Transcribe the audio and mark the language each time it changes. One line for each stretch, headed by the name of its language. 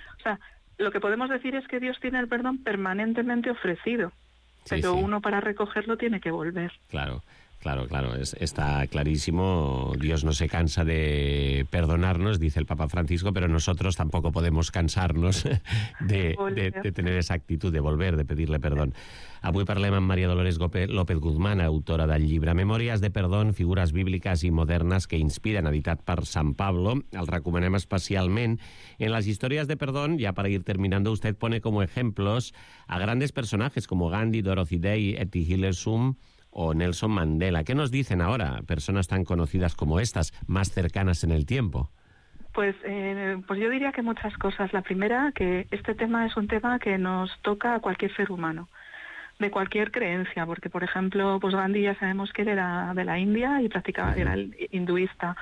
Spanish: O sea, lo que podemos decir es que Dios tiene el perdón permanentemente ofrecido, sí, pero sí. Uno para recogerlo tiene que volver. Claro. Claro, claro, está clarísimo. Dios no se cansa de perdonarnos, dice el Papa Francisco, pero nosotros tampoco podemos cansarnos de tener esa actitud de volver, de pedirle perdón.
Catalan: Avui parlem amb Maria Dolores López Guzmán, autora del llibre Memòries de perdón, figures bíbliques i modernes que inspiren, editat per Sant Pablo. El recomanem especialment. En les històries de perdón, ja per
Spanish: ir terminant, usted pone como ejemplos a grandes personajes como Gandhi, Dorothy Day, Etty Hillersum o Nelson Mandela. ¿Qué nos dicen ahora personas tan conocidas como estas, más cercanas en el tiempo? Pues yo diría que muchas cosas. La primera, que este tema es un tema que nos toca a cualquier ser humano, de cualquier creencia, porque, por ejemplo, pues Gandhi ya sabemos que él era de la India y practicaba, uh-huh, era hinduista.